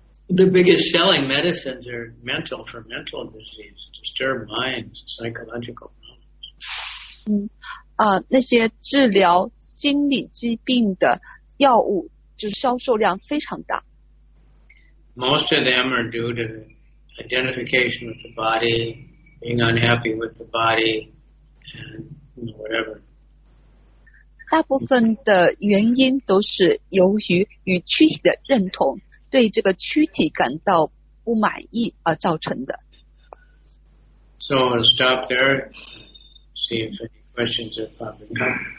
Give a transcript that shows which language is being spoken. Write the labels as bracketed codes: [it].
[en] The biggest selling medicines are mental for mental disease, disturbed minds, psychological problems. [zh] 那些治疗心理疾病的药物就销售量非常大。 [en] Most of them are due to identification with the body, being unhappy with the body, and whatever. [zh] 大部分的原因都是由于与躯体的认同，对这个躯体感到不满意而造成的。 [en] So I'll stop there. See if any questions are popping up.